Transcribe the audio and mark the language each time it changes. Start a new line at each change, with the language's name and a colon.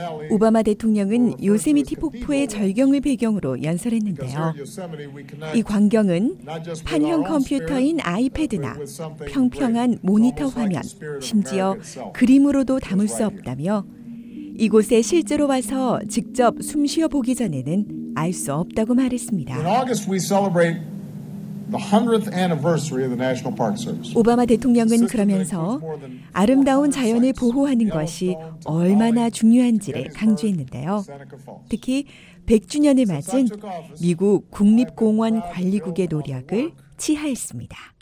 Korean: 오바마 대통령은 요세미티 폭포의 절경을 배경으로 연설했는데요. 이 광경은 판형 컴퓨터인 아이패드나 평평한 모니터 화면, 심지어 그림으로도 담을 수 없다며 이곳에 실제로 와서 직접 숨 쉬어 보기 전에는 알 수 없다고 말했습니다.
English: In August we celebrate the 100th anniversary of the National Park Service.
Korean: 오바마 대통령은 그러면서 아름다운 자연을 보호하는 것이 얼마나 중요한지를 강조했는데요. 특히 100주년을 맞은 미국 국립공원 관리국의 노력을 치하했습니다.